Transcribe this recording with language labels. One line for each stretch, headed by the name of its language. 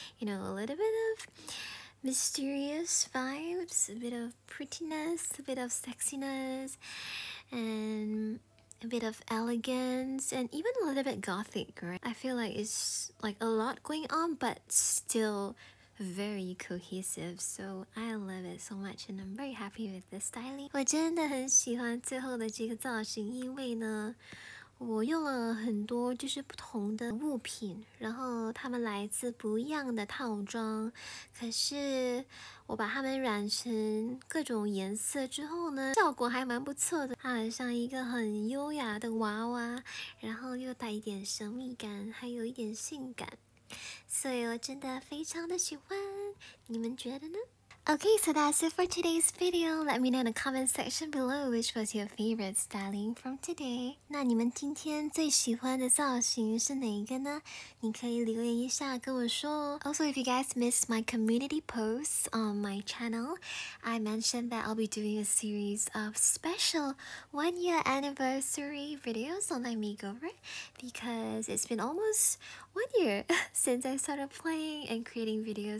English: You know, a little bit of mysterious vibes, a bit of prettiness, a bit of sexiness, and a bit of elegance, and even a little bit gothic, right? I feel like it's like a lot going on, but still very cohesive. So I love it so much, and I'm very happy with the styling.
Chinese: 我真的很喜欢最后的这个造型，因为呢， 我用了很多就是不同的物品，然后它们来自不一样的套装，可是我把它们染成各种颜色之后呢，效果还蛮不错的，它很像一个很优雅的娃娃，然后又带一点神秘感，还有一点性感，所以我真的非常的喜欢，你们觉得呢？
English: Okay, so that's it for today's video. Let me know in the comment section below which was your favorite styling from today.
Chinese: 那你们今天最喜欢的造型是哪一个呢？你可以留言一下跟我说哦。
English: Also, if you guys missed my community posts on my channel, I mentioned that I'll be doing a series of special one-year anniversary videos on Life Makeover because it's been almost 1 year since I started playing and creating videos.